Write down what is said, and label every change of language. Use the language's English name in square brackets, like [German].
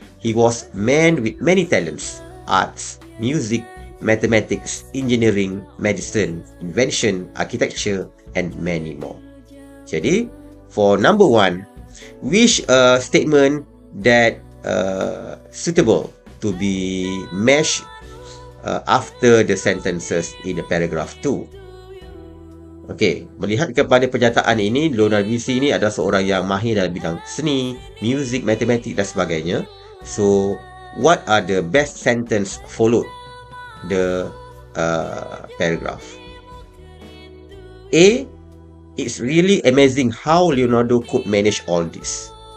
[English] He was a man with many talents: arts, music, mathematics, engineering, medicine, invention, architecture, and many more. Jadi, for number 1, which statement that suitable to be matched after the sentences in the paragraph 2? [Malay] Okay, melihat kepada pernyataan ini, Leonardo da Vinci ini adalah seorang yang mahir dalam bidang seni, music, matematik dan sebagainya. [English] So, what are the best sentence followed the paragraph? A. It's really amazing how Leonardo could manage all this.